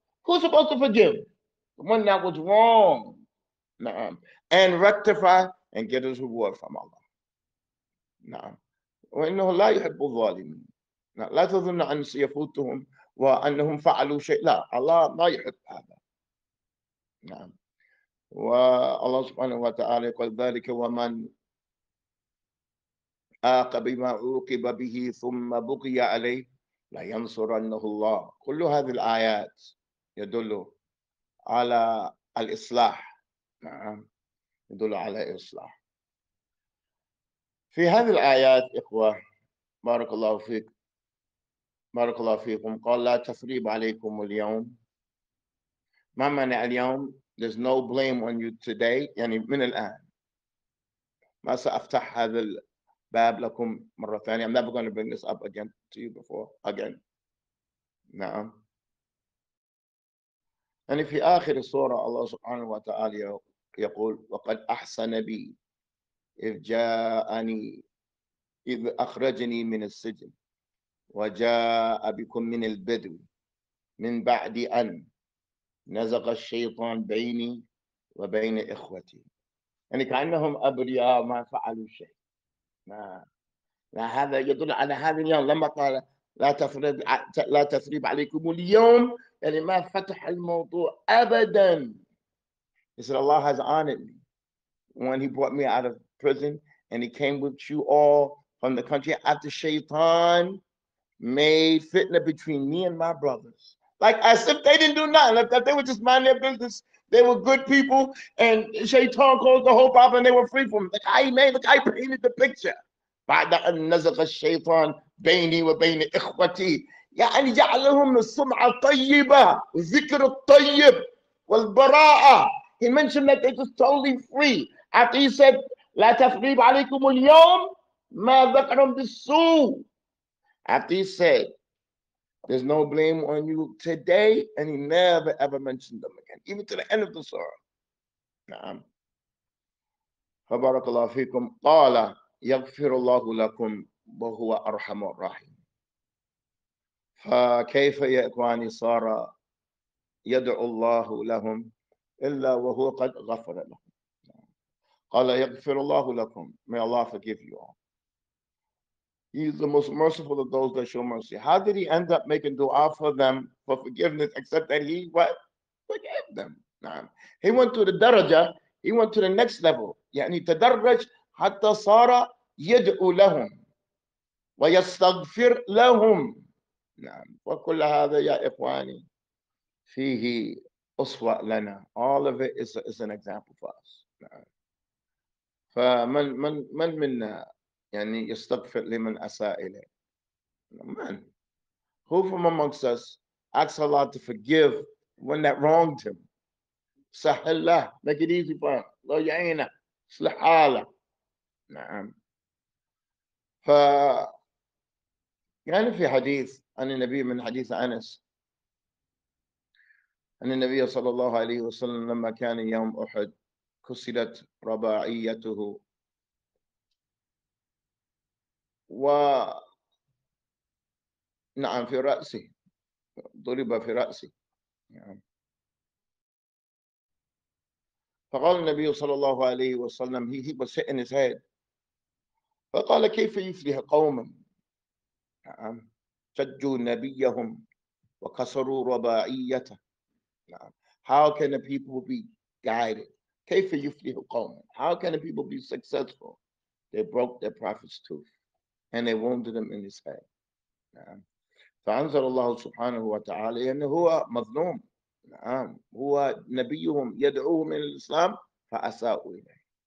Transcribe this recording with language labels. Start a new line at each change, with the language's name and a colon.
English: Who's supposed to forgive? The one that was wrong. نعم. And rectify and get his reward from Allah.
Arabic: نعم. وإنه لا يحب الظالمين. لا تظن أن سيفوتهم وأنهم فعلوا شيء. لا. Allah لا يحب هذا. نعم. والله سبحانه وتعالى قال ذلك ومن آق بما عوقب به ثم بقي عليه لا ينصرنه الله. كل هذه الآيات يدل على الإصلاح. نعم. يدل على الإصلاح. في هذه الآيات إخوة بارك الله فيك بارك الله فيكم قال لا تثريب عليكم اليوم. ما معنى اليوم؟
English: There's no blame on you today.
Arabic: يعني من الآن ما سأفتح هذا باب لكم مرة ثانية.
English: I'm never going to bring this up again to you before again. نعم.
Arabic: يعني في آخر السورة الله سبحانه وتعالى يقول: وقد أحسن بي إذ جاءني إذ أخرجني من السجن، وجاء بكم من البدو من بعد أن نزغ الشيطان بيني وبين إخوتي. يعني كأنهم أبرياء ما فعلوا شيء، ما لا، هذا يدل على هذا اليوم لما قال: لا تثريب عليكم اليوم، يعني ما فتح الموضوع أبدا.
English: He said, Allah has honored me when he brought me out of prison and he came with you all from the country after Shaitan made fitna between me and my brothers. Like as if they didn't do nothing, like that they were just minding their business. They were good people and Shaitan caused the whole problem and they were free from it. Like I made, like I painted the picture.
Arabic: بعد أن نزغ الشيطان بيني وبين إخوتي، يعني جعلهم السمعة الطيبة، الذكر الطيب، والبراءة.
English: He mentioned that they were totally free. After he said,
Arabic: لا تثريب عليكم اليوم، ما ذكرهم بالسوء.
English: After he said, there's no blame on you today, and he never ever mentioned them again, even to the end of the surah.
Arabic: نعم. فبارك الله فيكم. قال يغفر الله لكم وهو أرحم الراحمين. فكيف يا إخواني صار يدعو الله لهم إلا وهو قد غفر لهم؟ قال يغفر الله لكم.
English: May Allah forgive you all. He is the most merciful of those that show mercy. How did he end up making dua for them for forgiveness except that he what? Forgave them. He went to the daraja. He went to the next level.
Arabic: يعني تدرج حتى صار يدعو لهم ويستغفر لهم. نعم. وكل هذا يا إخواني فيه أسوة لنا.
English: All of it is an example for us.
Arabic: نعم. فمن من منا يعني يستغفر لمن أساء إليه؟ من؟
English: Who from amongst us asks Allah to forgive when that wronged him?
Arabic: سهل له.
English: Make it easy for him.
Arabic: الله يعينه. اصلح حاله. نعم. ف يعني في حديث عن النبي من حديث أنس أن النبي صلى الله عليه وسلم لما كان يوم أحد كسلت رباعيته و نعم في رأسه، ضرب في رأسه فقال النبي صلى الله عليه وسلم
English: he was hit in his head.
Arabic: فقال كيف يفلح قوما نعم شجوا نبيهم وكسروا رباعيته. نعم.
English: How can a people be guided?
Arabic: كيف يفلح قوما؟
English: How can a people be successful? They broke their prophet's tooth and they wounded him in his head.
Arabic: نعم. فأنزل الله سبحانه وتعالى أنه هو مظلوم. نعم. هو نبيهم يدعوهم إلى الإسلام فأساءوا إليه.